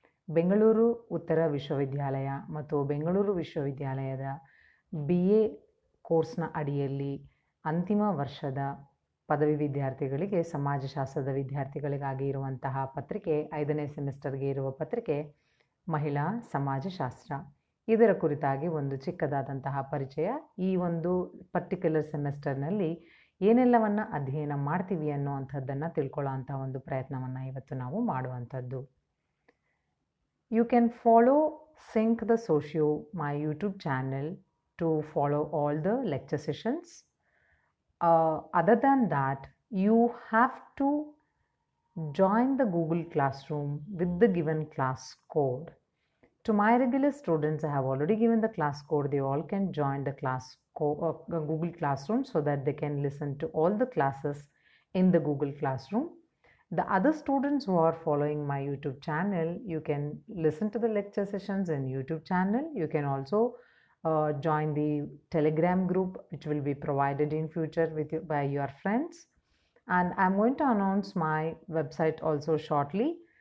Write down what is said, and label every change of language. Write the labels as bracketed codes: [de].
[kn] Bengaluru Uttara Vishwavidyalaya Mato Bengaluru Vishwavidyalayada BA course na adiyalli antima varshada padavi vidyarthigalige samaja shastra vidyarthigaligagi iruvantaha patrike 5ne semester ge iruva patrike mahila samaja shastra idara kuritagi ondu chikkadadantaha parichaya ee ondu particular semester nalli ಏನೆಲ್ಲವನ್ನು ಅಧ್ಯಯನ ಮಾಡ್ತೀವಿ ಅನ್ನುವಂಥದ್ದನ್ನು ತಿಳ್ಕೊಳ್ಳೋ ಅಂಥ ಒಂದು ಪ್ರಯತ್ನವನ್ನು ಇವತ್ತು ನಾವು ಮಾಡುವಂಥದ್ದು. [en] You can follow sync the socio my YouTube channel to follow all the lecture sessions. Other than that you have to join the Google classroom with the given class code. To my regular students I have already given the class code, they all can join the class Google Classroom so that they can listen to all the classes in the Google Classroom. The other students who are following my YouTube channel, you can listen to the lecture sessions in YouTube channel. You can also join the Telegram group, which will be provided in future with you by your friends. And I'm going to announce my website also shortly.